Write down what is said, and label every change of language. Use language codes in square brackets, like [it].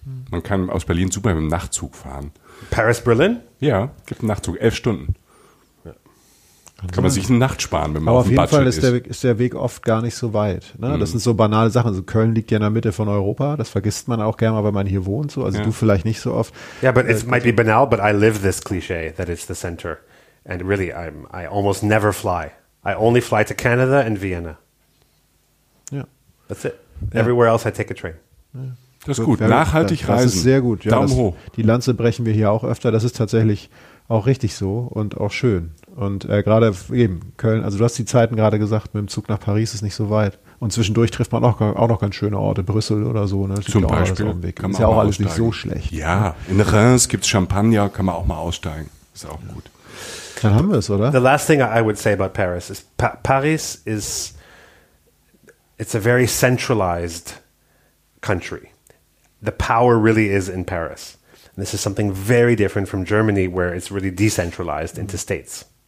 [de] Man kann aus Berlin super mit dem Nachtzug fahren. Paris-Berlin? Ja, gibt einen Nachtzug, 11 Stunden. Kann man sich eine Nacht sparen, wenn man auf dem Budget ist. Aber auf jeden Fall ist der Weg oft gar nicht so weit. Ne? Mhm. Das sind so banale Sachen. Also Köln liegt ja in der Mitte von Europa. Das vergisst man auch gerne, wenn man hier wohnt. So. Also ja. Du vielleicht nicht so oft. [en] Yeah, but it might be banal, but I live this cliche that it's the center. And really, I almost never fly. I only fly to Canada and Vienna. [de] Ja. [en] That's it. Ja. Everywhere else I take a train. Ja. [de] Das ist gut. Nachhaltig das reisen. Das ist sehr gut. Ja, Daumen hoch. Die Lanze brechen wir hier auch öfter. Das ist tatsächlich auch richtig so und auch schön. Und gerade eben Köln, also du hast die Zeiten gerade gesagt, mit dem Zug nach Paris ist nicht so weit. Und zwischendurch trifft man auch noch ganz schöne Orte, Brüssel oder so. Ne? Zum Beispiel. Ist ja auch alles aussteigen. Nicht so schlecht. Ja, in Reims gibt es Champagner, kann man auch mal aussteigen. Ist auch gut. Dann haben wir es, oder? [en] The last thing I would say about Paris is Paris is, it's a very centralized country. The power really is in Paris. This is something very different from Germany, where it's really decentralized into states.